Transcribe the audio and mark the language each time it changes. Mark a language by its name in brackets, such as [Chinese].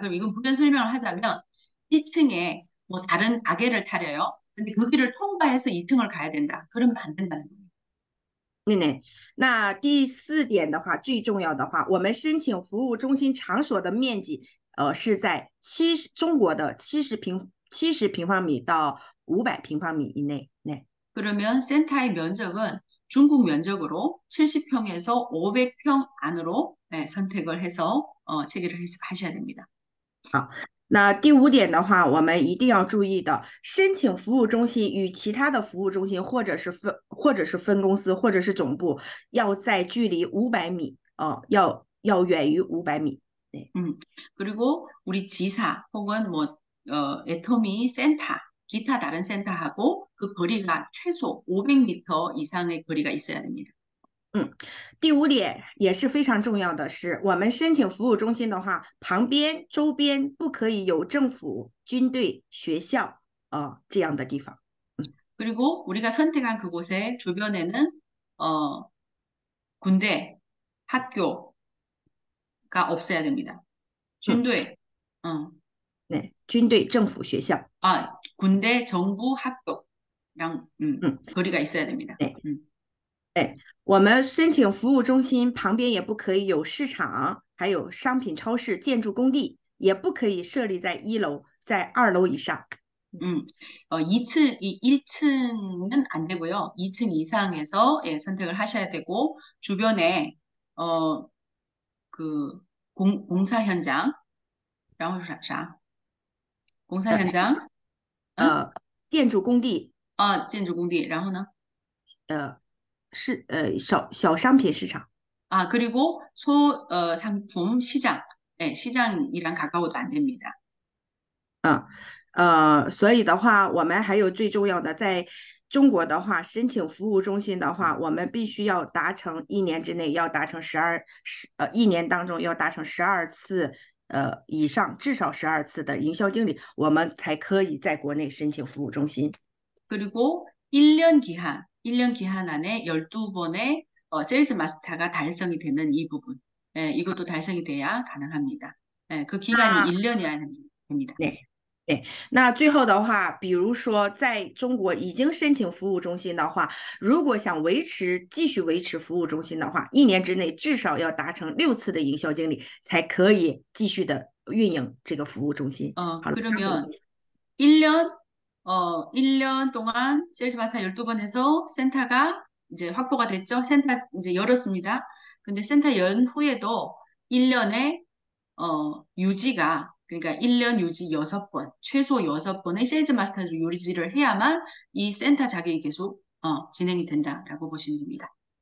[Korean] 그럼 이건 부연 설명을 하자면 1층에 뭐 다른 가게를 타려요. 근데 거기를 통과해서 2층을 가야 된다. 그러면 안 된다는 겁니다. 네. [Chinese] 那第四点的话，最重要的话，我们申请服务中心场所的面积，是在中国的七十平方米到500平方米以内。 [Korean] 네. 그러면 센터의 면적은 중국 면적으로 70평에서 500평 안으로 선택을 해서 체결을 하셔야 됩니다. [Chinese] 好，那第五点的话，我们一定要注意的，申请服务中心与其他的服务中心，或者是分公司，或者是总部，要在距离500米，要远于500米。 [Korean] 그리고 우리 지사 혹은 뭐 애터미 센터 기타 다른 센터하고 그 거리가 최소 500m 이상의 거리가 있어야 됩니다. [Chinese] 第五点也是非常重要的是，我们申请服务中心的话，旁边、周边不可以有政府、军队、学校这样的地方。 [Korean] 그리고 우리가 선택한 그곳의 주변에는 군대, 학교가 없어야 됩니다. [Chinese] 军队, 네, 军队、政府、学校。 [Korean] 군대, 정부, 학교랑 거리가 있어야 됩니다. 네. [Chinese] 我们申请服务中心旁边也不可以有市场，还有商品超市、建筑工地，也不可以设立在1楼，在2楼以上。 [Korean] 1층은 안 되고요. 2층 이상에서 선택을 하셔야 되고 주변에 공사 현장 라고 하셔야 공사 현장 [Chinese] 建筑工地，建筑工地，然后呢？是小商品市场， [Korean] 그리고 상품 시장, 시장이랑 가까워도 안 됩니다. [Chinese] 所以的话，我们还有最重要的，在中国的话，申请服务中心的话，我们必须要达成一年之内要达成十二十呃一年当中要达成12次以上至少12次的营销经理，我们才可以在国内申请服务中心。 [Korean] 그리고 1년 기한 안에 12번의 세일즈 마스터가 달성이 되는 이 부분. 이것도 달성이 돼야 가능합니다. 그 기간이 1년이어야 됩니다. 네. [Chinese] 那最后的话，比如说在中国已经申请服务中心的话，如果想继续维持服务中心的话，一年之内至少要达成6次的营销经理，才可以继续的运营这个服务中心。好了，差不多。 [Korean] 그러면 1년 1년 동안 세일즈 마스터 12번 해서 센터가 이제 확보가 됐죠? 센터 이제 열었습니다. 근데 센터 연 후에도 1년에 유지가 그러니까 1년 유지 6번, 최소 6번의 세일즈 마스터 유지를 해야만 이 센터 자격이 계속 진행이 된다라고 보시면 됩니다.